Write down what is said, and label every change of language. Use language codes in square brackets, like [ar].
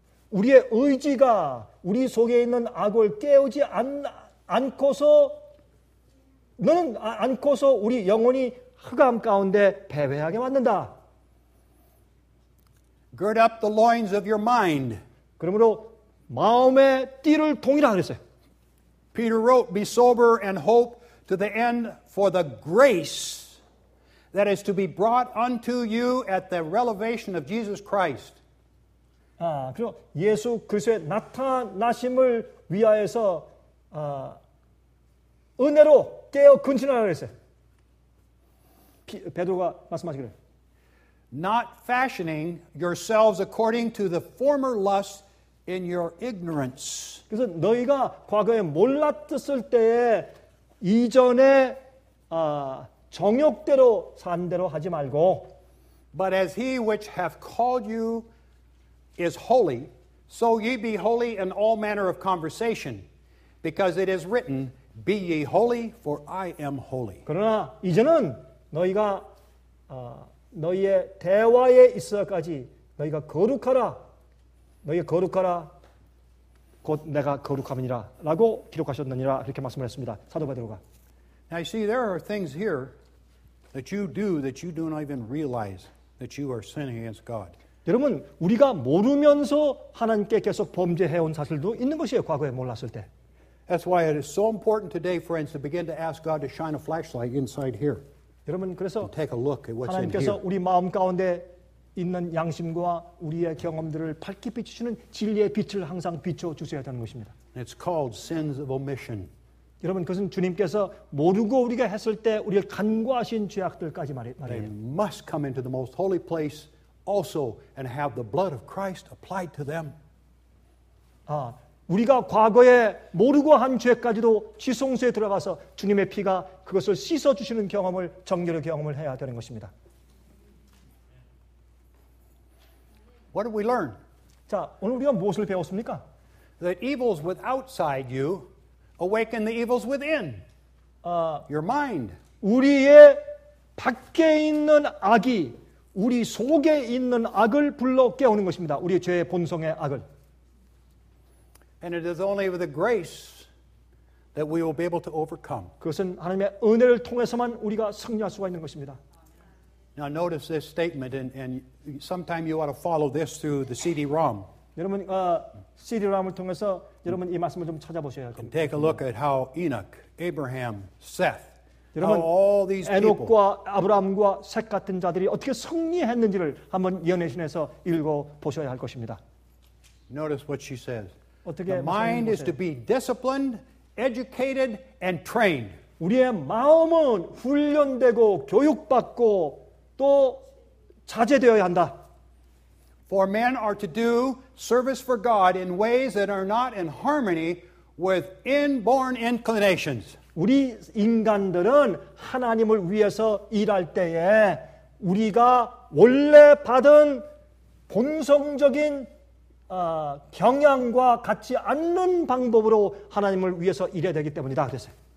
[ko] 우리의 의지가 우리 속에 있는 악을 깨우지 않고서는 않고서 우리 영혼이 흑암 가운데 패배하게 만든다. [en] Gird up the loins of your mind. [ko] 그러므로 마음의 띠를 동이라 그랬어요. [en] Peter wrote, "Be sober and hope to the end for the grace that is to be brought unto you at the revelation of Jesus Christ." [ko] 아, 그리고 예수 그리스도의 나타나심을 위하여서 은혜로 깨어 근신하라 그랬어요. 베드로가 말씀하시기를. [en] Not fashioning yourselves according to the former lusts in your ignorance. [ko] 그래서 너희가 과거에 몰랐었을 때에 이전에 정욕대로 산 대로 하지 말고. [en] But as he which hath called you is holy, so ye be holy in all manner of conversation, because it is written, "Be ye holy, for I am holy." [ko] 그러나 이제는 너희가 너희의 대화에 있어까지 너희가 거룩하라. 너희 거룩하라. 곧 내가 거룩함이니라 라고 기록하셨느니라 그렇게 말씀을 했습니다. 사도 베드로가. [en] Now you see there are things here that you do that you do not even realize that you are sinning against God. [ko] 여러분 우리가 모르면서 하나님께 계속 범죄해 온 사실도 있는 것이에요. 과거에 몰랐을 때. [en] That's why it is so important today, friends, to begin to ask God to shine a flashlight inside here. [ko] 여러분 그래서 하나님께서 우리 마음 가운데 있는 양심과 우리의 경험들을 밝게 비추시는 진리의 빛을 항상 비춰 주셔야 되는 것입니다. [en] It's called sins of omission. [ko] 여러분 그것은 주님께서 모르고 우리가 했을 때 우리를 간과하신 죄악들까지 말해요. [en] They must come into the most holy place also and have the blood of Christ applied to them. [ko] 아, 우리가 과거에 모르고 한 죄까지도 지성소에 들어가서 주님의 피가 그것을 씻어 주시는 경험을 정결의 경험을 해야 되는 것입니다. [en] What did we learn? [ko] 자, 오늘 우리가 무엇을 배웠습니까? [en] That evils outside you awaken the evils within your mind. [ko] 우리의 밖에 있는 악이 우리 속에 있는 악을 불러 깨우는 것입니다. 우리의 죄의 본성의 악을. [en] And it is only with the grace that we will be able to overcome. [ko] 그것은 하나님의 은혜를 통해서만 우리가 승리할 수가 있는 것입니다. [en] Now notice this statement, and sometime you ought to follow this through the CD-ROM. [ko] 여러분 CD-ROM을 통해서 여러분 이 말씀을 좀 찾아보셔야 합니다. [en] And take a look at how Enoch, Abraham, Seth, how all these people. [ko] 여러분 에녹과 아브라함과 셋 같은 자들이 어떻게 승리했는지를 한번 예언해서 읽어 보셔야 할 것입니다. [en] Notice what she says. The mind is to be disciplined, educated, and trained. [ko] 우리의 마음은 훈련되고 교육받고 또 자제되어야 한다. [en] For men are to do service for God in ways that are not in harmony with inborn inclinations. [ko] 우리 인간들은 하나님을 위해서 일할 때에 우리가 원래 받은 본성적인 경향과 같지 않는 방법으로 하나님을 위해서 일해야 되기 때문이다 그랬어요.